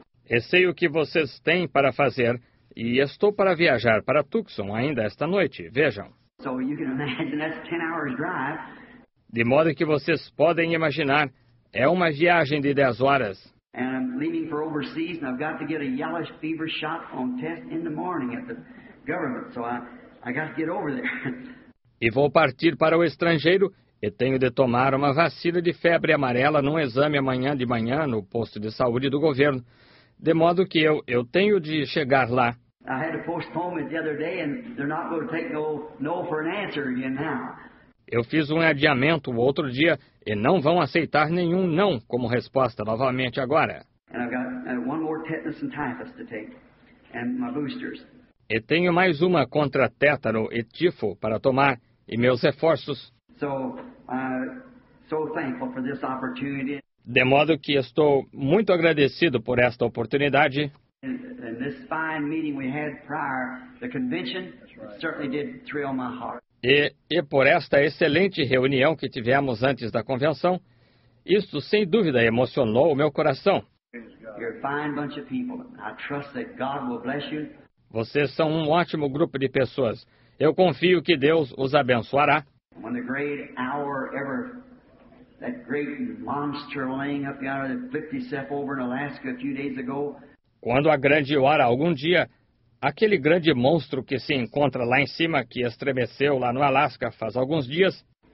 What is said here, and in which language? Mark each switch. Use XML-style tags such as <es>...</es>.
<pt>E sei o que vocês têm para fazer, e estou para viajar para Tucson ainda esta noite, vejam.</pt> <en>So you can imagine that's 10 hours drive.</en> <pt>De modo que vocês podem imaginar, é uma viagem de 10 horas.</pt> <en>And I'm leaving for overseas and I've got to get a yellow fever shot on test in the morning at the government. So I got to get over there.</en> <pt>E vou partir para o estrangeiro e tenho de tomar uma vacina de febre amarela num exame amanhã de manhã no posto de saúde do governo. De modo que eu tenho de chegar lá.</pt> <en>I had to postpone it the other day and they're not going to take no for an answer again now.</en> <pt>Eu fiz um adiamento o outro dia e não vão aceitar nenhum não como resposta novamente agora.</pt> <en>And I've got one more tetanus and typhus to take and my boosters.</en> <pt>E tenho mais uma contra tétano e tifo para tomar e meus reforços.</pt> <en>So thankful for this opportunity.</en> <pt>De modo que estou muito agradecido por esta oportunidade.</pt> <en>And this fine meeting we had prior the convention certainly did thrill my heart.</en> <pt>E por esta excelente reunião que tivemos antes da convenção, isto sem dúvida emocionou o meu coração.</pt> <en>You're a fine bunch of people. I trust that God will bless you.</en> <pt>Vocês são um ótimo grupo de pessoas. Eu confio que Deus os abençoará.</pt> <en>When the great hour ever, that great monster laying up yonder that flipped itself over in Alaska a few days ago.</en> <pt>Quando a grande hora, algum dia, aquele grande monstro que se encontra lá em cima, que estremeceu lá no Alasca faz alguns dias,</pt>